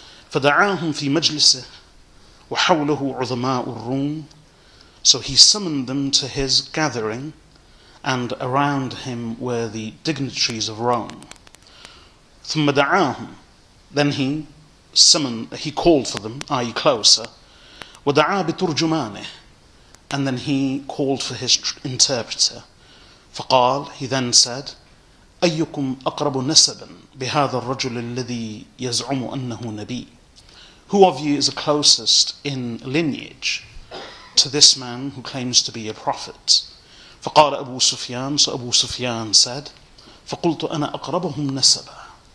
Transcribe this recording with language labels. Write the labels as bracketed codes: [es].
[ar] فَدَعَاهُمْ فِي مَجْلِسِهِ وَحَوْلُهُ عُظَمَاءُ الرُّومِ, [en] so he summoned them to his gathering, and around him were the dignitaries of Rome. [ar] ثُمَّ دَعَاهُمْ, [en] then he called for them, i.e. closer. [ar] وَدَعَا بِتُرْجُمَانِهِ, [en] and then he called for his interpreter. [ar] فقال, [en] he then said, [ar] أيكم أقرب نسبا بهذا الرجل الذي يزعم أنه نبي. [en] Who of you is the closest in lineage to this man who claims to be a prophet? [ar] فقال أبو سفيان, [en] so [ar] أبو سفيان [en] said, [ar] فقلت أنا أقربهم نسبا.